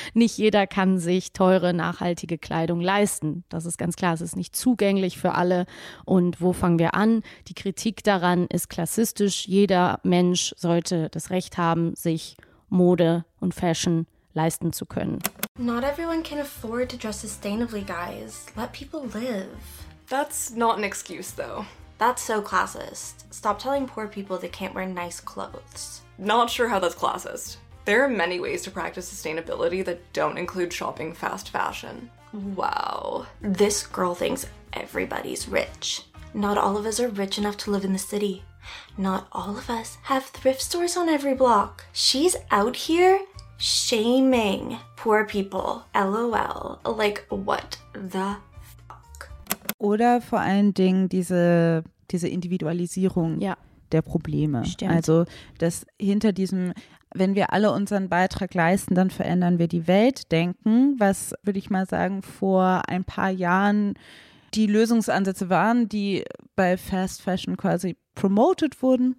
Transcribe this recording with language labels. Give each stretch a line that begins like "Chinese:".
German: Nicht jeder kann sich teure, nachhaltige Kleidung leisten. Das ist ganz klar, es ist nicht zugänglich für alle. Und wo fangen wir an? Die Kritik daran ist klassistisch. Jeder Mensch sollte das Recht haben, sich Mode und Fashion leisten zu können.
English: Not everyone can afford to dress sustainably, guys. Let people live. That's not an excuse, though. That's so classist. Stop telling poor people they can't wear nice clothes. Not sure how that's classist. There are many ways to practice sustainability that don't include shopping fast fashion. Wow. This girl thinks everybody's rich. Not all of us are rich enough to live in the city. Not all of us have thrift stores on every block. She's out here shaming poor people. LOL. Like, what the fuck?
German: Oder vor allen Dingen diese Individualisierung, ja, der Probleme. Stimmt. Also, dass hinter diesem, wenn wir alle unseren Beitrag leisten, dann verändern wir die Welt, denken, was, würde ich mal sagen, vor ein paar Jahren die Lösungsansätze waren, die bei Fast Fashion quasi promoted wurden.